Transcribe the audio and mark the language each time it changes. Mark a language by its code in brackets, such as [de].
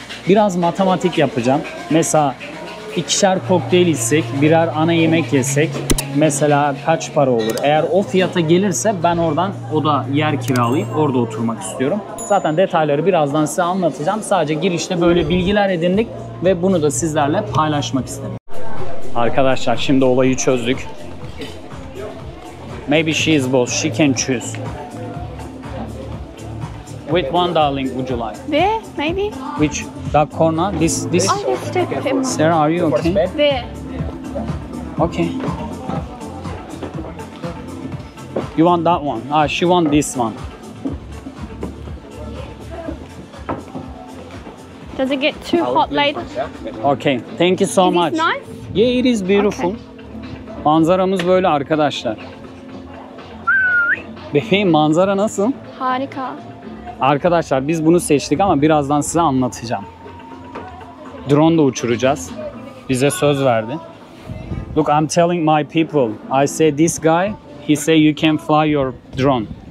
[tr] Biraz matematik yapacağım. Mesela ikişer kokteyl içsek, birer ana yemek yesek mesela kaç para olur? Eğer o fiyata gelirse ben oradan oda yer kiralayıp orada oturmak istiyorum. Zaten detayları birazdan size anlatacağım. Sadece girişte böyle bilgiler edindik ve bunu da sizlerle paylaşmak istedim. Arkadaşlar şimdi olayı çözdük. [en] Maybe she is boss, she can choose. With one darling, would you like? There, maybe. Which, that corner, this. I just took him. Sarah, are you okay? There. Okay. You want that one? Ah, she want this one. Does it get too hot later? Okay, thank you so is much. Is it nice? Yeah, it is beautiful. Okay. [tr] Manzaramız böyle arkadaşlar. Bebeğim, manzara nasıl? Harika. Arkadaşlar biz bunu seçtik ama birazdan size anlatacağım. Drone da uçuracağız. Bize söz verdi. [en] Look, I'm telling my people. I say this guy, he say you can fly your drone.